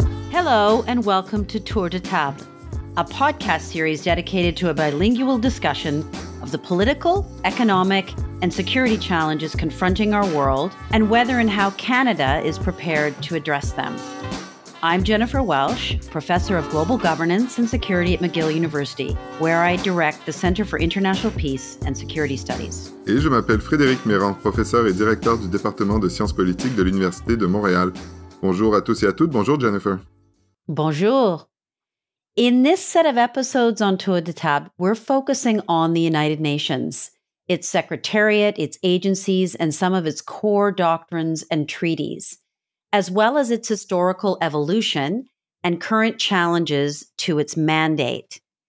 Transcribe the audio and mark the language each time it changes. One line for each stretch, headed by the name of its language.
English: Hello and welcome to Tour de Table, a podcast series dedicated to a bilingual discussion of the political, economic, and security challenges confronting our world and whether and how Canada is prepared to address them. I'm Jennifer Welsh, Professor of Global Governance and Security at McGill University, where I direct the Center for International Peace and Security Studies.
French: Et je m'appelle Frédéric Mérand, professeur et directeur du département de sciences politiques de l'Université de Montréal. Bonjour à tous et à toutes. Bonjour, Jennifer. Bonjour.
English: In this set of episodes on Tour de Table, we're focusing on the United Nations, its secretariat, its agencies, and some of its core doctrines and treaties, as well as its historical evolution and current challenges to its mandate.